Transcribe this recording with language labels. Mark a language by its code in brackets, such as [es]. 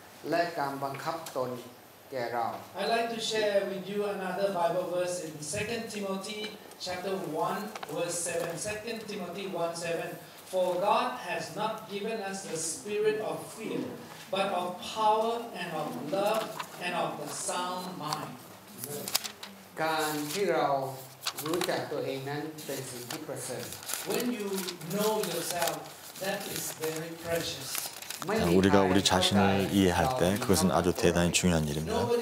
[th] แต่ประทานใจที่ประกอบด้วยฤทธานุภาพความรักและการบังคับตน [en] I'd like to share with you another Bible verse in 2 Timothy chapter 1 verse 7 2 Timothy 1:7 For God has not given us the spirit of fear but of power and of love and of a sound mind [th] การที่เรารู้จักตัวเองนั้นเป็นสิ่งที่ประเสริฐ [en] When you know yourself, that is very precious. [ko] 우리가 우리 자신을 이해할 때 그것은 아주 대단히 중요한 일입니다.